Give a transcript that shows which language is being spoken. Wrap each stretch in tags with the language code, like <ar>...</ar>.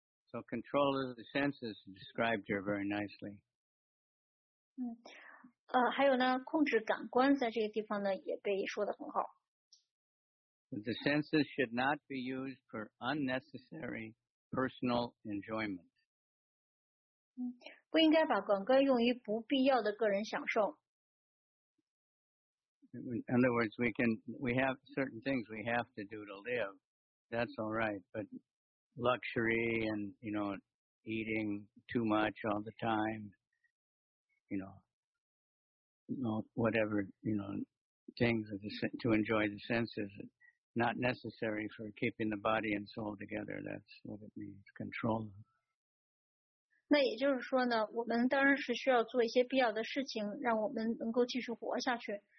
<en>So control of the senses described here very nicely.</en> <zh>还有呢，控制感官在这个地方呢也被说得很好。</zh> <en>The senses should not be used for unnecessary personal enjoyment.</en> <zh>不应该把感官用于不必要的个人享受。</zh> <en>In other words, we have certain things we have to do to live. That's all right. But luxury and, you know, eating too much all the time, whatever, things to enjoy the senses. Not necessary for keeping the body and soul together. That's what it means. Control.</en> <zh>那也就是说呢，我们当然是需要做一些必要的事情，让我们能够继续活下去。</zh>